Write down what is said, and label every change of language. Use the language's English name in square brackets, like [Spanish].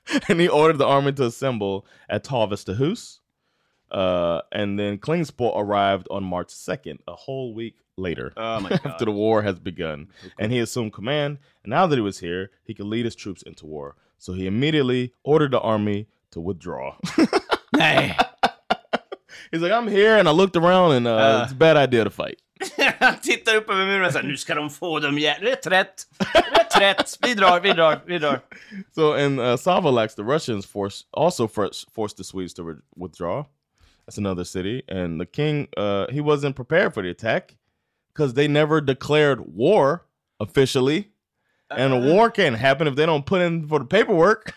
[English] And he ordered the army to assemble at Tavastehus. And then Klingspor arrived on March 2nd, a whole week later, after the war has begun. Okay. And he assumed command, and now that he was here, he could lead his troops into war. So he immediately ordered the army to withdraw. Hey. He's like, I'm here, and I looked around, and it's a bad idea to fight. [Swedish] Han tittar upp över muren och säger, nu ska de få dem igen. Rätt. Vi drar. [English] So in Savolax, the Russians forced the Swedes to withdraw. That's another city. And the king, he wasn't prepared for the attack because they never declared war officially. And a war can't happen if they don't put in for the paperwork.